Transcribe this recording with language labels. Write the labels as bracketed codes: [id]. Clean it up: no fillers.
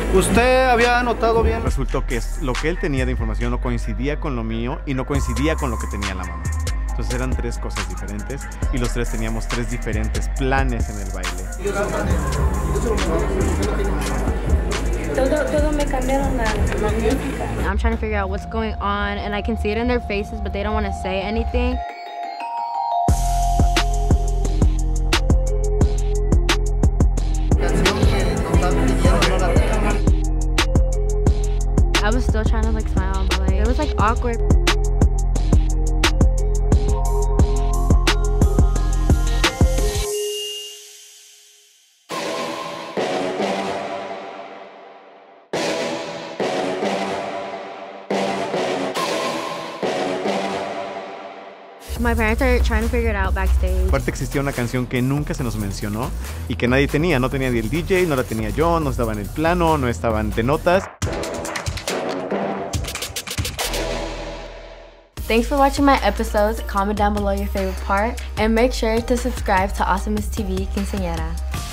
[es] ¿Usted había anotado bien? Resultó que lo que él tenía de información no coincidía con lo mío y no coincidía con lo que tenía la mamá. Entonces eran tres cosas diferentes y los tres teníamos tres diferentes planes en el baile. Todo me cambiaron la música. [en] I'm trying to figure out what's going on and I can see it in their faces, but they don't want to say anything. I was still trying to like smile, but like it was like awkward. My parents are trying to figure it out backstage. [es] Aparte existía una canción que nunca se nos mencionó y que nadie tenía. No tenía ni el DJ, no la tenía yo, no estaba en el plano, no estaban de notas. [en] Thanks for watching my episodes. Comment down below your favorite part and make sure to subscribe to Awesomeness TV Quinceañera.